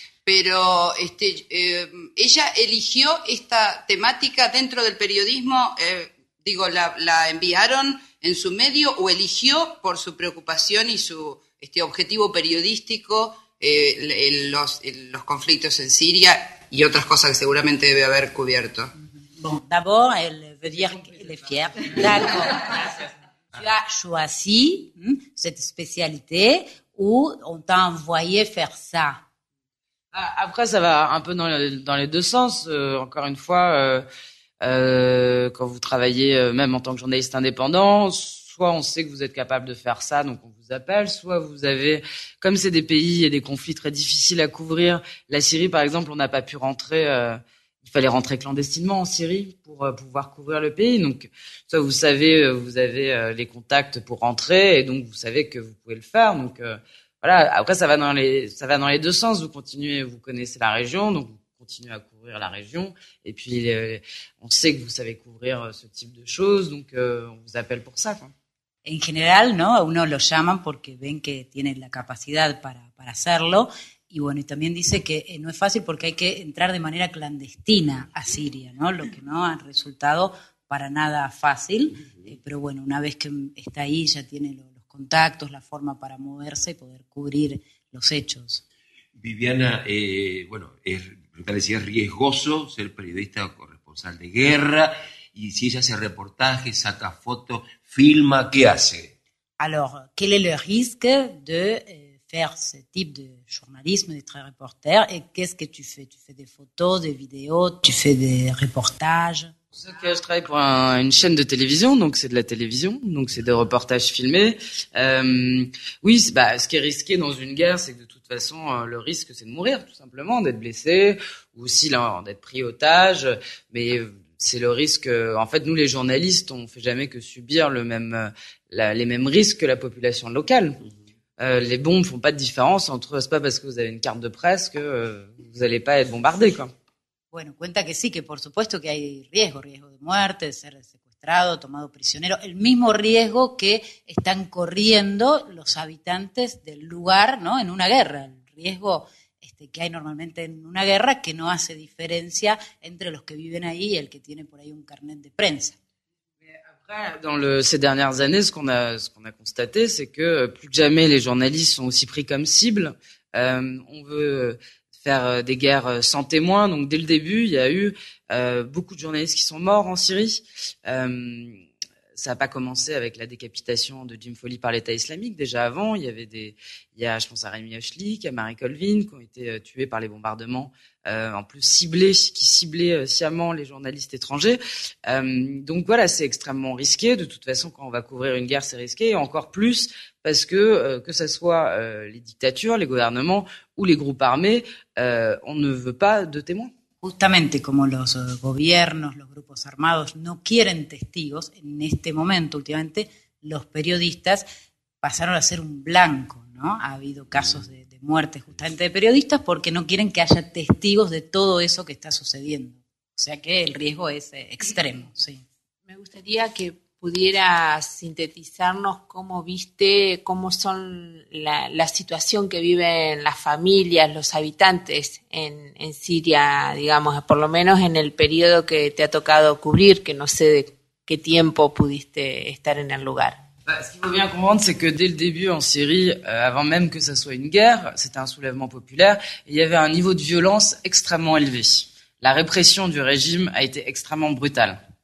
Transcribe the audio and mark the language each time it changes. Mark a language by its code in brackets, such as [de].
[es] Pero ella eligió esta temática dentro del periodismo, digo, ¿la enviaron en su medio o eligió por su preocupación y su objetivo periodístico los conflictos en Siria y otras cosas que seguramente debe haber cubierto? [fr] Bon, d'abord, elle veut dire qu'elle est fière. D'accord. Tu as choisi cette spécialité ou on t'a envoyé faire ça? Après, ça va un peu dans les deux sens. Encore une fois, quand vous travaillez, même en tant que journaliste indépendant, soit on sait que vous êtes capable de faire ça, donc on vous appelle, soit vous avez, comme c'est des pays et des conflits très difficiles à couvrir, la Syrie, par exemple, on n'a pas pu rentrer. Il fallait rentrer clandestinement en Syrie pour pouvoir couvrir le pays. Donc, soit vous savez, vous avez les contacts pour rentrer, et donc vous savez que vous pouvez le faire. Donc, voilà. Après, ça va dans les deux sens. Vous connaissez la région, donc vous continuez à couvrir la région. Et puis, on sait que vous savez couvrir ce type de choses, donc on vous appelle pour ça, quoi. [es] En general, ¿no? A uno lo llaman porque ven que tiene la capacidad para hacerlo. Y bueno, y también dice que no es fácil porque hay que entrar de manera clandestina a Siria, ¿no? Lo que no ha resultado para nada fácil. Pero bueno, una vez que está ahí, ya tiene los contactos, la forma para moverse y poder cubrir los hechos. Viviana, bueno, es, decía, es riesgoso ser periodista o corresponsal de guerra, y si ella hace reportajes, saca fotos, filma, ¿qué hace? [fr] Alors, quel est le risque de faire ce type de journalisme, d'être reporter? Et qu'est-ce que tu fais? Tu fais des photos, des vidéos, tu fais des reportages? Que je travaille pour une chaîne de télévision, donc c'est de la télévision, donc c'est des reportages filmés. Oui, bah, ce qui est risqué dans une guerre, c'est que de toute façon, le risque, c'est de mourir, tout simplement, d'être blessé, ou aussi là, d'être pris otage. Mais c'est le risque. En fait, nous, les journalistes, on ne fait jamais que subir le même, les mêmes risques que la population locale. Les bombes ne font pas de différence entre. C'est pas parce que vous avez une carte de presse que vous n'allez pas être bombardé, quoi. [es] Bueno, cuenta que sí, que por supuesto que hay riesgo, riesgo de muerte, de ser secuestrado, tomado prisionero, el mismo riesgo que están corriendo los habitantes del lugar, ¿no? En una guerra, el riesgo que hay normalmente en una guerra que no hace diferencia entre los que viven ahí y el que tiene por ahí un carnet de prensa. [fr] Dans ces dernières années, ce qu'on a constaté, c'est que plus que jamais les journalistes sont aussi pris comme cible. On veut faire des guerres sans témoins. Donc dès le début, il y a eu beaucoup de journalistes qui sont morts en Syrie. Ça n'a pas commencé avec la décapitation de Jim Foley par l'État islamique. Déjà avant, il y a, je pense à Rémi Hochelig, à Marie Colvin, qui ont été tués par les bombardements, en plus ciblés sciemment les journalistes étrangers. Donc voilà, c'est extrêmement risqué. De toute façon, quand on va couvrir une guerre, c'est risqué. Et encore plus parce que ce soit les dictatures, les gouvernements ou les groupes armés, on ne veut pas de témoins. [es] Justamente como los gobiernos, los grupos armados no quieren testigos, en este momento últimamente los periodistas pasaron a ser un blanco, ¿no? Ha habido casos de muerte justamente de periodistas porque no quieren que haya testigos de todo eso que está sucediendo. O sea que el riesgo es extremo, sí. Me gustaría que pudiera sintetizarnos cómo viste, cómo son la situación que viven las familias, los habitantes en Siria, digamos, por lo menos en el periodo que te ha tocado cubrir, que no sé de qué tiempo pudiste estar en el lugar. [fr] Ce qu'il faut bien comprendre, c'est que dès le début en Syrie, avant même que ça soit une guerre, c'était un soulèvement populaire, et il y avait un niveau de violence extrêmement élevé. La répression du régime a été extrêmement brutale.